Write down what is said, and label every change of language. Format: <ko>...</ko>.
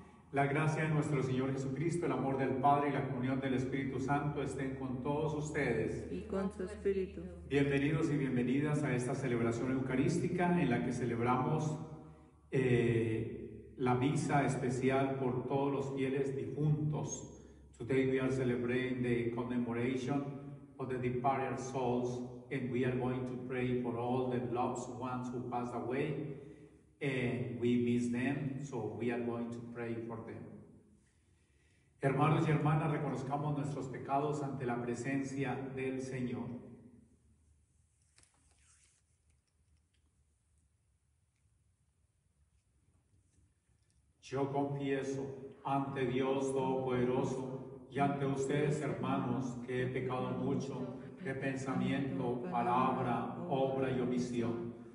<es>La gracia de nuestro Señor Jesucristo, el amor del Padre y la comunión del Espíritu Santo estén con todos ustedes. Y con su Espíritu. Bienvenidos y bienvenidas a esta celebración eucarística en la que celebramos la misa especial por todos los fieles difuntos.</es> <en>Today we are celebrating the commemoration of the departed souls, and we are going to pray for all the loved ones who passed away, and we miss them, so we are going to pray for them.</en> <es>Hermanos y hermanas, reconozcamos nuestros pecados ante la presencia del Señor. Yo confieso ante Dios Todopoderoso y ante ustedes, hermanos, que he pecado mucho de pensamiento, palabra, obra y omisión.</es>